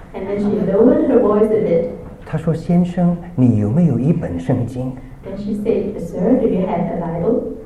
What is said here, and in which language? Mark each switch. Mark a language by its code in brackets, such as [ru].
[en] And then she lowered her voice a bit. [zh] 她说先生你有没有一本圣经？ [en] Then she said, sir, do you have a Bible?